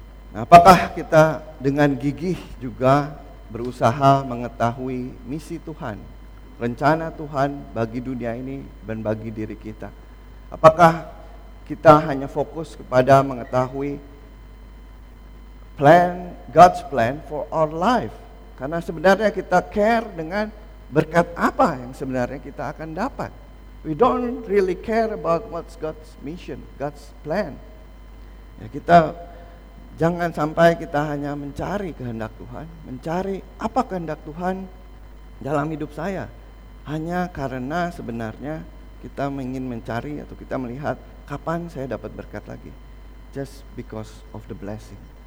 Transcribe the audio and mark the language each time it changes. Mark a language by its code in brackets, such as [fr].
[id] Nah, apakah kita dengan gigih juga berusaha mengetahui misi Tuhan, rencana Tuhan bagi dunia ini dan bagi diri kita? Apakah kita hanya fokus kepada mengetahui [en] plan, God's plan for our life? [id] Karena sebenarnya kita care dengan berkat apa yang sebenarnya kita akan dapat. [en] We don't really care about what's God's mission, God's plan. [id] Ya, kita jangan sampai kita hanya mencari kehendak Tuhan, mencari apa kehendak Tuhan dalam hidup saya, hanya karena sebenarnya kita ingin mencari atau kita melihat kapan saya dapat berkat lagi. [en] Just because of the blessing.